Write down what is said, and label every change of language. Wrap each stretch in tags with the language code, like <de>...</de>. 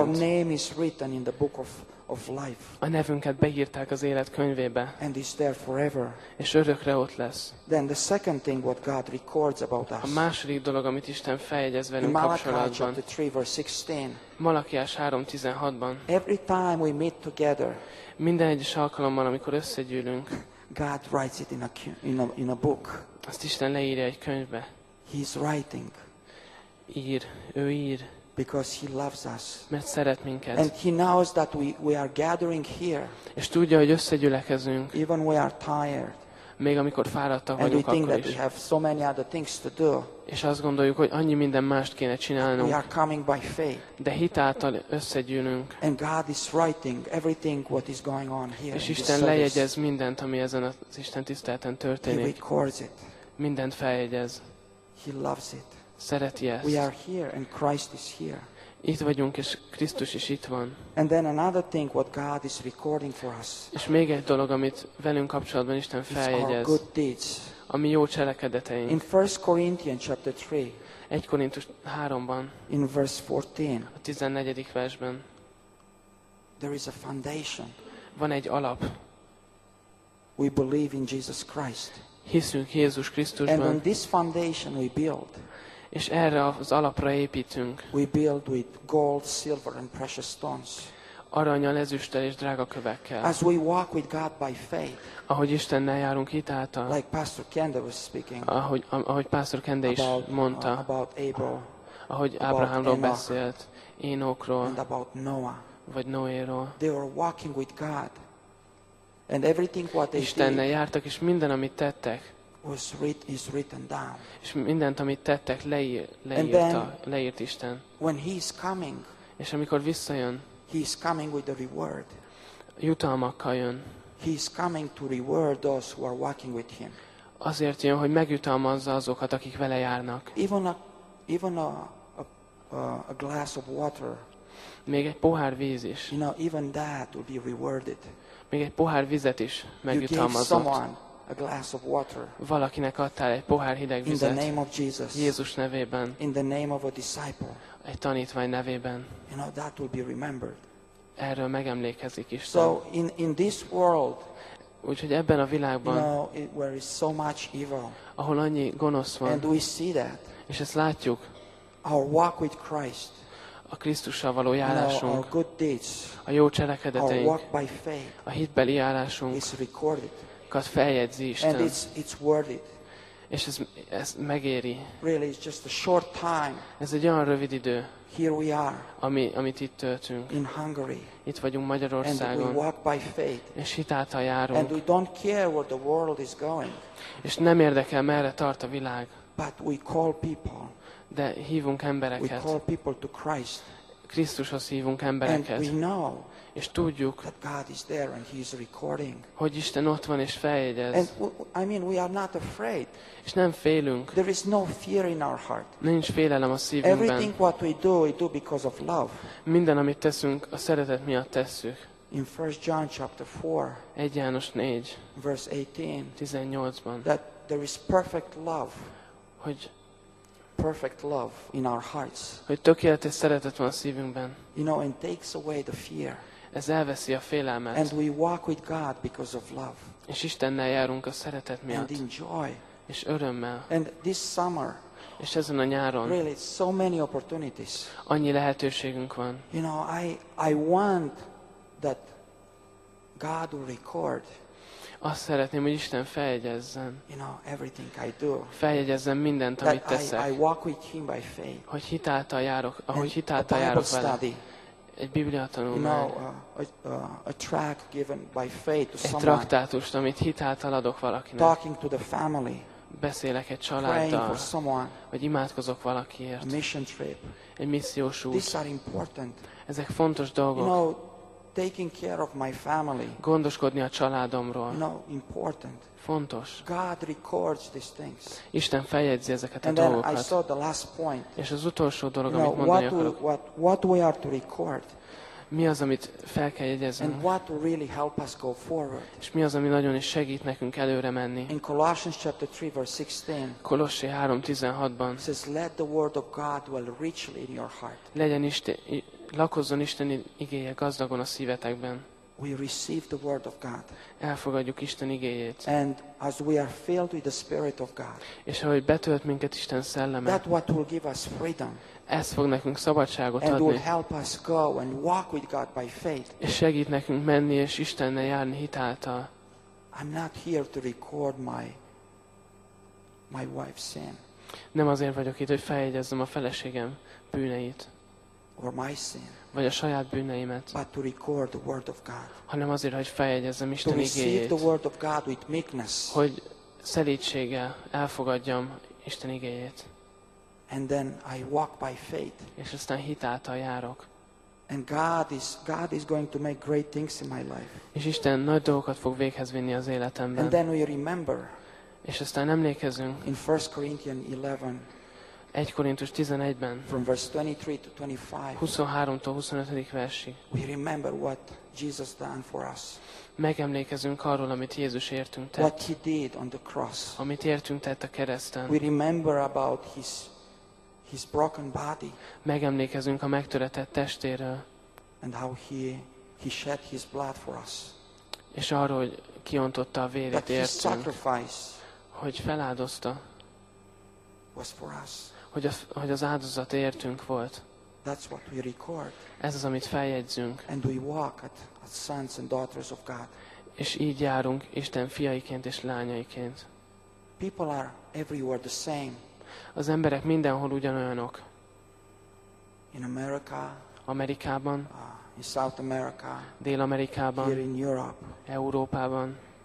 <en>Our name is written in the book of life.</en> <hu>A nevünket beírták az élet könyvébe.</hu> <en>And it's there forever.</en> <hu>És örökre ott lesz.</hu> <en>Then the second thing what God records about us.</en> <hu>A második dolog, amit Isten feljegyez velünk kapcsolatban. Malakiás 3:16-ban.</hu> <en>Every time we meet together.</en> <hu>Minden egyes alkalommal, amikor összegyűlünk.</hu> <en>God writes it in a book.</en> <hu>Azt Isten leírja egy könyvbe.</hu> <en>He's writing.</en> <hu>Ír, ő ír.</hu> <en>Because he loves us.</en> <hu>Mert szeret minket.</hu> <en>And he knows that we are gathering here.</en> <hu>És tudja, hogy összegyűlökezünk.</hu> <en>Even we are tired.</en> <hu>Még amikor fáradtak</hu> <en>and</en> <hu>vagyunk</hu> <en>we think</en> <hu>akkor</hu> <en>that is. We have so many other things to do.</en> <hu>És azt gondoljuk, hogy annyi minden mást kéne csinálnunk.</hu> <en>We are coming by faith.</en> <hu>De hit által összegyűlünk.</hu> <en>And God is writing everything what is going on here.</en> <hu>És Isten lejegyez mindent, ami ezen az Isten tisztelten történik.</hu> <en>He records it.</en> <hu>Mindent feljegyez.</hu> <en>He loves it.</en> <hu>Szereti ezt.</hu> <en>We are here and Christ is here.</en> <hu>Itt vagyunk és Krisztus is itt van.</hu> <en>And then another thing what God is recording for us.</en> <hu>És még egy dolog, amit velünk kapcsolatban Isten feljegyez.</hu> <en>Our good deeds.</en> <hu>A mi jó cselekedeteink.</hu> <en>In 1 Corinthians chapter 3.</en> <hu>1 Korintus 3-ban.</hu> <en>In verse 14.</en> <hu>A 14. versben.</hu> <en>There is a foundation.</en> <hu>Van egy alap.</hu> <en>We believe in Jesus Christ.</en> <hu>Hiszünk Jézus Krisztusban.</hu> <en>And on this foundation we build.</en> <hu>És erre az alapra építünk.</hu> <en>We build with gold, silver and precious stones.</en> <hu>Aranyal, ezüsttel és drága kövekkel.</hu> <en>As we walk with God by faith.</en> <hu>Ahogy Istennel járunk hitáltal.</hu> <en>Like Pastor Kende was speaking.</en> <hu>Ahogy Pastor Kende is mondta.</hu> <en>About Abel.</en> <hu>Ahogy Ábrahámról beszélt, Énokról.</hu> <en>And about Noah.</en> <hu>Vagy Noéról.</hu> <en>They were walking with God. And everything what they did.</en> <hu>Istennel jártak és minden amit tettek.</hu> <en>Was written is written down.</en> <hu>És mindent, amit tettek, leírt Isten.</hu> <en>When he is coming,</en> <hu>és amikor visszajön,</hu> <en>he is coming with the reward.</en> <hu>Jutalmakkal jön.</hu> <en>He is coming to reward those who are walking with him.</en> <hu>Azért jön, hogy megjutalmazza azokat, akik vele járnak.</hu> <en>Even a glass of water.</en> <hu>Még egy pohár víz is.</hu> <en>You know, even that will be rewarded.</en> <hu>Még egy pohár vizet is megjutalmazott.</hu> <en>You give someone a glass of water.</en> <hu>Valakinek adtál egy pohár hideg vizet.</hu> <en>In the name of Jesus.</en> <hu>Jézus nevében.</hu> <en>In the name of a disciple.</en> <hu>Egy tanítvány nevében.</hu> <en>You know, that will be remembered.</en> <hu>Erről megemlékezik Isten.</hu> <en>So in this world.</en> <hu>Úgyhogy ebben a világban.</hu> <en>You know, where is so much evil.</en> <hu>Ahol annyi gonosz van.</hu> <en>And we see that.</en> <hu>És ezt látjuk.</hu> <en>Our walk with Christ.</en> <hu>A Krisztussal való járásunk.</hu> <en>Our good deeds.</en> <hu>A jó cselekedeteink.</hu> <en>Our walk by faith.</en> <hu>A hitbeli járásunk.</hu> <en>Is recorded.</en> <hu>Kat feljegyzi Isten.</hu> <en>And it's worth it.</en> <hu>És ez megéri.</hu> <en>Really, it's just a short time.</en> <hu>Ez egy olyan rövid idő.</hu> <en>Here we are.</en> <hu>Amit itt töltünk.</hu> <en>In Hungary.</en> <hu>Itt vagyunk Magyarországon.</hu> <en>And we walk by faith.</en> <hu>És hitáltal járunk.</hu> <en>And we don't care where the world is going.</en> <hu>És nem érdekel, merre tart a világ.</hu> <en>But we call people.</en> <hu>De hívunk embereket.</hu> <en>We call people to Christ.</en> <hu>Krisztushoz hívunk embereket.</hu> <en>And we know.</en> <hu>És tudjuk,</hu> <en>that God is there and he is recording.</en> <hu>Hogy Isten ott van és feljegyez.</hu> <en>And I mean we are not afraid.</en> <hu>És nem félünk.</hu> <en>There is no fear in our heart.</en> <hu>Nincs félelem a szívünkben.</hu> <en>Everything what we do because of love.</en> <hu>Minden amit teszünk, a szeretet miatt tesszük.</hu> <en>In 1 John chapter 4,</en> <hu>1 János 4,</hu> <en>verse 18,</en> <hu>18-ban.</hu> <en>That there is perfect love.</en> <hu>Hogy</hu> <en>perfect love in our hearts.</en> <hu>Hogy tökéletes szeretet van a szívünkben.</hu> <en>You know, and takes away the fear.</en> <hu>Ez elveszi a félelmet.</hu> <en>And we walk with God because of love.</en> <hu>És Istennel járunk a szeretet miatt.</hu> <en>And in joy.</en> <hu>És örömmel.</hu> <en>And this summer.</en> <hu>És ezen a nyáron.</hu> <en>Really, so many opportunities.</en> <hu>Annyi lehetőségünk van.</hu> <en>You know, I want that God will record.</en> <hu>Azt szeretném, hogy Isten feljegyezzen.</hu> <en>You know, everything I do.</en> <hu>Feljegyezzen mindent, amit teszek.</hu> <en>I walk with him by faith.</en> <hu>Hogy hitáltal járok, ahogy hitáltal járok vele.</hu> <en>Study.</en> <hu>Egy Biblia tanulmány.</hu> <en>You know, a track given by faith to someone.</en> <hu>Egy traktátust, amit hitáltal adok valakinek.</hu> <en>Talking to the family.</en> <hu>Beszélek egy családdal.</hu> <en>Praying for someone.</en> <hu>Vagy imádkozok valakiért.</hu> <en>Mission trip.</en> <hu>Egy missziós út.</hu> <en>These are important.</en> <hu>Ezek fontos dolgok.</hu> <en>You know, taking care of my family.</en> <hu>Gondoskodni a családomról.</hu> <en>No, important.</en> <hu>Fontos.</hu> <en>God records these things.</en> <hu>Isten feljegyzi ezeket</hu> <en>and</en> <hu>a dolgokat.</hu> <en>I saw the last point.</en> <hu>És az utolsó dolog,</hu> <en>you know,</en> <hu>amit mondani akarok.</hu> <en>What we are to record.</en> <hu>Mi az, amit fel kell jegyeznünk?</hu> <en>And what really help us go forward.</en> <hu>És mi az, ami nagyon is segít nekünk előre menni?</hu> <en>In Colossians chapter 3 verse 16.</en> <hu>Kolossé 3:16-ban.</hu> <en>Says let the word of God dwell richly in your heart.</en> <hu>Legyen Isten, lakozzon Isten igéje gazdagon a szívetekben.</hu> <en>We receive the word of God.</en> <hu>Elfogadjuk Isten igéjét.</hu> <en>And as we are filled with the spirit of God.</en> <hu>És ahogy betölt minket Isten szelleme.</hu> <en>That what will give us freedom.</en> <hu>Ez fog nekünk szabadságot</hu> <en>and</en> <hu>adni.</hu> <en>Will help us go and walk with God by faith.</en> <hu>És segít nekünk menni és Istennel járni hitáltal.</hu> <en>I'm not here to record my wife's sin.</en> <hu>Nem azért vagyok itt, hogy feljegyezzem a feleségem bűneit.</hu> <en>Or my sin.</en> <hu>Vagy a saját bűneimet.</hu> <en>But to record the word of God.</en> <hu>Hanem azért, hogy feljegyezzem Isten igéjét.</hu> <en>To receive</en> <hu>igéjét,</hu> <en>the word of God with meekness.</en> <hu>Hogy szelídséggel elfogadjam Isten igéjét.</hu> <en>And then I walk by faith.</en> <hu>És aztán hitáltal járok.</hu> <en>And God is going to make great things in my life.</en> <hu>És Isten nagy dolgokat fog véghez vinni az életemben.</hu> <en>And then we remember.</en> <hu>És aztán emlékezünk.</hu> <en>In 1 Corinthians 11.</en> <hu>1 Korintus 11-ben.</hu> <en>From verse 23 to 25.</en> <hu>23-tól 25. versig.</hu> <en>We remember what Jesus done for us.</en> <hu>Megemlékezünk arról, amit Jézus értünk tett.</hu> <en>What he did on the cross.</en> <hu>Amit értünk tett a kereszten.</hu> <en>We remember about his broken body.</en> <hu>Megemlékezünk a megtöretett testéről.</hu> <en>And how he shed his blood for us.</en> <hu>És arról, hogy kiontotta a vérét értünk.</hu> <en>That his sacrifice.</en> <hu>Hogy feláldozta.</hu> <en>Was for us.</en> <hu>Hogy az áldozat értünk volt.</hu> <en>That's what we record.</en> <hu>Ez az, amit feljegyzünk.</hu> <en>And we walk as sons and daughters of God.</en> <hu>És így járunk Isten fiaiként és lányaiként.</hu> <en>People are everywhere the same.</en> <hu>Az emberek mindenhol ugyanolyanok.</hu> <en>In America,</en> <hu>Amerikában,</hu> <en>in South America,</en> <hu>Dél-Amerikában,</hu> <en>here in Europe,</en> <hu>Európában.</hu>